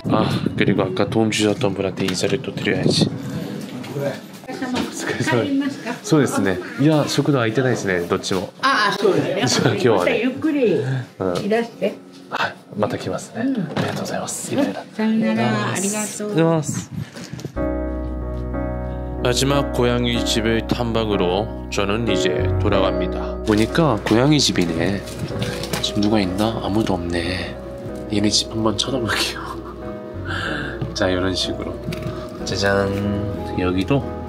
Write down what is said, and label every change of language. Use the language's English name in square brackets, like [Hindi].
[Korean] 아그리고아까도움주셨던분한테인사를또드려야지 그래 [Japanese] そうですね。いや、食堂空いてないですね。どっちも。ああ、そうだね。じゃあ今日はね。またゆっくりいらして。はい、また来ますね。ありがとうございます。いろいろ。さよなら、ありがとう。ございます。 [Korean] 마지막고양이집을탐방으로저는이제돌아갑니다 보니까고양이집이네지금누가있나아무도없네얘네집한번쳐다볼게요 자이런식으로짜잔여기도